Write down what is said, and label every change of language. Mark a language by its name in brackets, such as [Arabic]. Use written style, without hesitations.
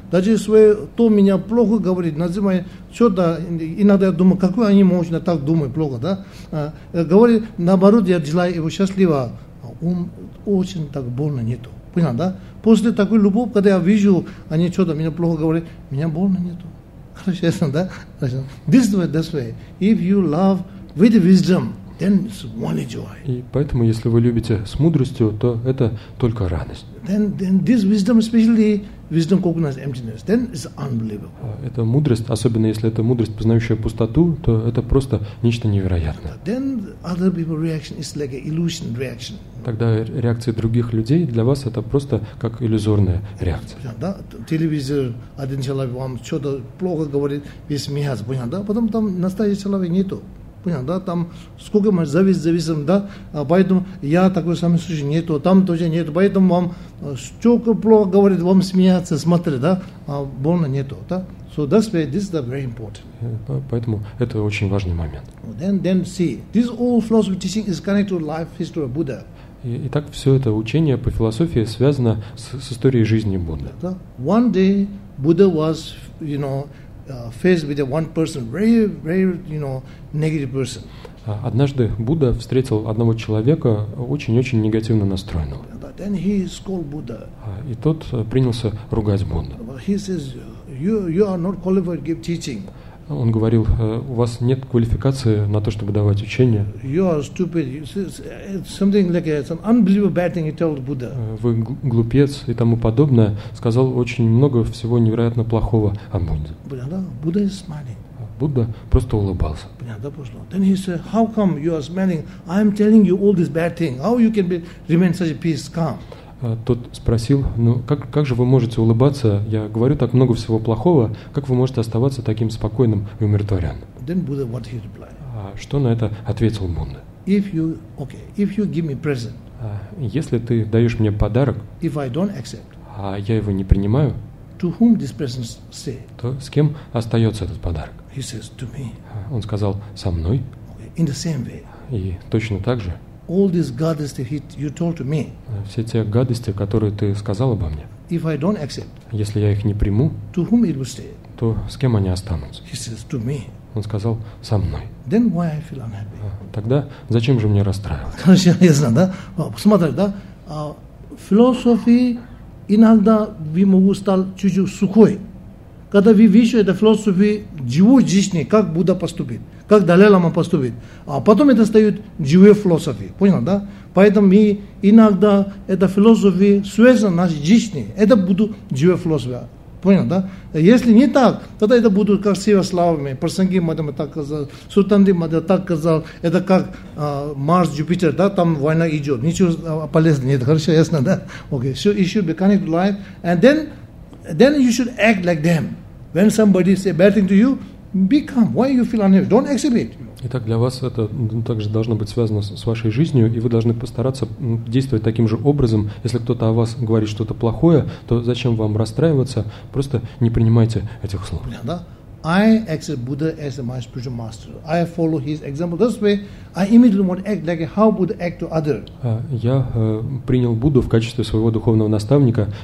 [Russian] Даже если то меня плохо говорит, называет, что-то, иногда я думаю, какой они мощно так думают, плохо, да? Говорит, наоборот, я желаю его счастлива. Ум очень так больно нету. Понятно, да? После такой любовь, когда я вижу, они что-то меня плохо говорят, меня больно нету. Хорошо, ясно, да? [English] This way. If you love with wisdom, then it's only joy. [Russian] И поэтому, если вы любите с мудростью, то это только радость. [English] Then this wisdom, especially wisdom cognizant emptiness, then it's unbelievable. [Russian] Это мудрость, особенно если это мудрость, познающая пустоту, то это просто нечто невероятное. [English] Then other people's reaction is like an illusion reaction. [Russian] Тогда реакции других людей для вас — это просто как иллюзорная реакция. Понятно, да? Телевизор, один человек вам что-то плохо говорит, вы смеяться, понятно, да? Потом там настоящий человек нету. Понятно, да, там сколько мы зависим, да, поэтому я такой самый случай нету, там тоже нету, поэтому вам столько плохо говорит, вам смеяться, смотрит, да, больно нету, да. [English] So that's why this is the very important. [Russian] Поэтому это очень важный момент. [English] Then see, this all philosophy teaching is connected to life history of Buddha. [Russian] Итак, все это учение по философии связано с историей жизни Будды. Да? [English] One day Buddha was, you know, faced with one person, very, you know, negative person. [Russian] Однажды Будда встретил одного человека, очень-очень негативно настроенного. [English] Then he scolded Buddha. [Russian] И тот принялся ругать Будду. [English] He says, you are not qualified to give teaching. [Russian] Он говорил, у вас нет квалификации на то, чтобы давать учение. [English] You are stupid. Something like a, some unbelievable bad thing he told Buddha. [Russian] Вы глупец и тому подобное. Сказал очень много всего невероятно плохого о Будде. [English] Buddha is smiling. [Russian] Будда просто улыбался. Понятно, пошло. [English] Then he said, how come you are smiling? I am telling you all this bad thing. How you can be remain such a peace, calm? [Russian] Тот спросил, как же вы можете улыбаться? Я говорю так много всего плохого. Как вы можете оставаться таким спокойным и умиротворенным? [English] Then Buddha, what he replied? [Russian] А что на это ответил Будда? [English] If you give me present. [Russian] Если ты даешь мне подарок, [English] if I don't accept, [Russian] а я его не принимаю, [English] to whom this present stay? [Russian] То с кем остается этот подарок? [English] He says, to me. [Russian] Он сказал, со мной. [English] Okay. In the same way. [Russian] И точно так же. [English] All these gadosti that you told to me. [Russian] Все те гадости, которые ты сказал обо мне. [English] If I don't accept. [Russian] Если я их не приму. [English] To whom it will stay? [Russian] То с кем они останутся? [English] He says to me. [Russian] Он сказал со мной. [English] Then why I feel unhappy? [Russian] Тогда зачем же мне расстраиваться? Короче, я знаю, да? Посмотри, да? Философии иногда вы могу стать чуть-чуть сухой. Когда вы видите эту философию живой жизни, как Будда поступит, как Далай Лама поступит, а потом это стают живые философии. Понял, да? Поэтому мы иногда эта философия связана с нашей жизнью. Это будут живые философии. Понял, да? Если не так, тогда это будут красивые славами. Парсанги Мадама так сказал, Суттанди Мадама так сказал, это как Марс, Юпитер, да, там война идет. Ничего полезного нет, хорошо, ясно, да? [English] Okay, so it should be connected to life. And then you should act like them. When somebody say bad thing to you, be calm. Why you feel unhappy? Don't accept it. [Russian] Итак, для вас это также должно быть связано с вашей жизнью, и вы должны постараться действовать таким же образом. Если кто-то о вас говорит что-то плохое, то зачем вам расстраиваться? Просто не принимайте этих слов. [English] I accept Buddha as my spiritual master. I follow his example. This way, I immediately want to act like how Buddha act to other. [Russian] Я принял Будду в качестве своего духовного наставника.